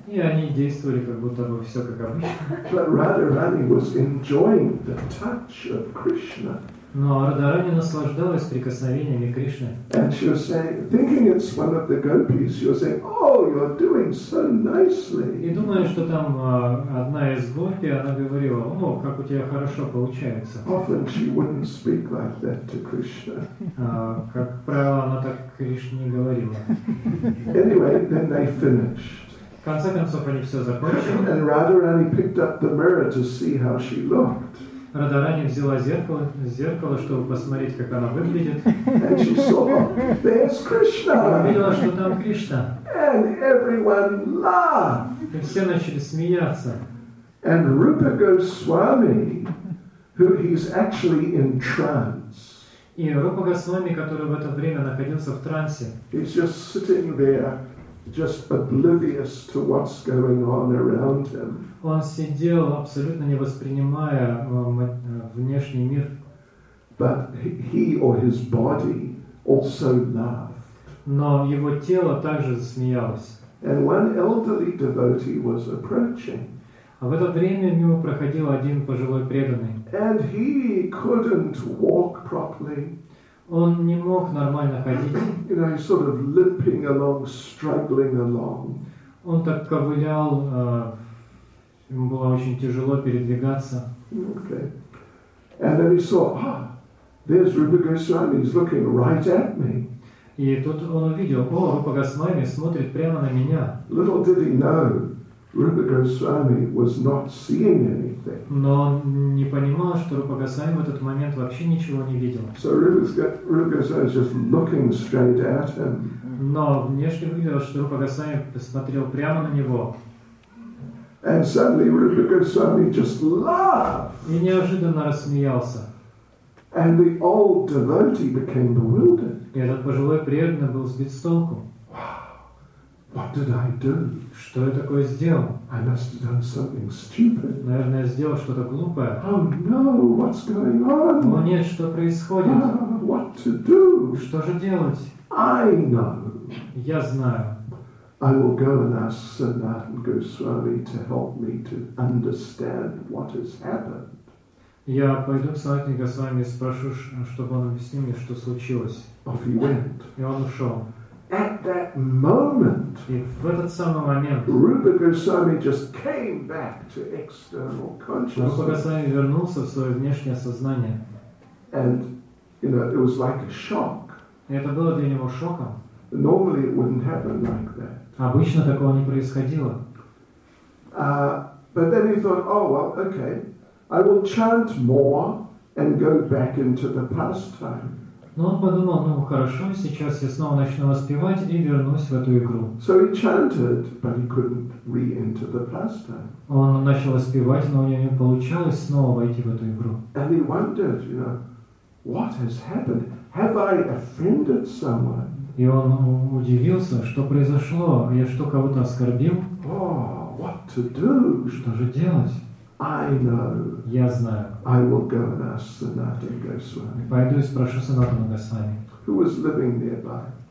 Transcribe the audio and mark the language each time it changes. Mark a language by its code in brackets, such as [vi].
[ru] И они действовали как будто бы все как обычно. [en] But Radharani was enjoying the touch of Krishna. [ru] Но Радхарани наслаждалась прикосновениями Кришны. [en] And she was saying, thinking it's one of the gopis, she was saying, "Oh, you're doing so nicely." [ru] И думая, что там одна из гопи, она говорила, "О, как у тебя хорошо получается." [en] Often she wouldn't speak like that to Krishna. [ru] Как правило, она так Кришне не говорила. [en] Anyway, then they finished. [ru] В конце концов они все закончили. [en] And Radharani picked up the mirror to see how she looked. [ru] Радхарани взяла зеркало, чтобы посмотреть, как она выглядит. [en] And she saw, there's Krishna. [ru] И увидела, что там Кришна. [en] And everyone laughed. [ru] И все начали смеяться. [en] And Rupa Goswami, who he's actually in trance. [ru] И Рупа Госвами, который в это время находился в трансе. [en] He's just sitting there, just oblivious to what's going on around him. [ru] Он сидел, абсолютно не воспринимая внешний мир. [en] But he or his body also laughed. [ru] Но его тело также засмеялось. [en] And one elderly devotee was approaching. [ru] А в это время мимо проходил один пожилой преданный. [en] And he couldn't walk properly. [ru] Он не мог нормально ходить. [en] You know, he's sort of limping along, struggling along. [ru] Он так ковылял, ему было очень тяжело передвигаться. [en] Okay. And then he saw, there's Rupa Goswami, he's looking right at me. [ru] И тут он увидел, о, Рупа Госвами смотрит прямо на меня. [en] Little did he know, Rupa Goswami was not seeing anything. [ru] Но он не понимал, что Рупа Госвами в этот момент вообще ничего не видел. [en] So Rupa Goswami was just looking straight at him. [ru] Но внешне выглядело, что Рупа Госвами посмотрел прямо на него. [en] And suddenly Rupa Goswami just laughed. [ru] И неожиданно рассмеялся. [en] And the old devotee became bewildered. [ru] И этот пожилой преданный был сбит с толку. [en] What did I do? [ru] Что я такое сделал? [en] I must have done something stupid. [ru] Наверное, я сделал что-то глупое. [en] Oh no, what's going on? [ru] О нет, что происходит? [en] What to do? [ru] Что же делать? [en] I know. [ru] Я знаю. [en] I will go and ask Sanatan Goswami to help me to understand what has happened. [ru] Я пойду к Санатане Госвами и спрошу, чтобы он объяснил мне, что случилось. [en] Off he went. [ru] И он ушел. [en] At that moment, [ru] в этот самый момент, [en] Rupa Goswami just came back to external consciousness. [ru] Рупа Госвами вернулся в свое внешнее сознание. [en] And, you know, it was like a shock. [ru] И это было для него шоком. [en] Normally it wouldn't happen like that. [ru] Обычно такого не происходило. [en] But then he thought, oh well, okay, I will chant more and go back into the pastime. [ru] Но он подумал, ну хорошо, сейчас я снова начну воспевать и вернусь в эту игру. [en] So he chanted, but he couldn't re-enter the pastime. [ru] Он начал воспевать, но у него не получалось снова войти в эту игру. [en] And he wondered, you know, what has happened? Have I offended someone? [ru] И он удивился, что произошло, я что, кого-то оскорбил? [en] Oh, what to do? [ru] Что же делать? [en] I know. [ru] Я знаю. [en] I will go and ask Sanatana Goswami. [ru] Пойду и спрошу Санатану Госвами. [en] Who was living nearby?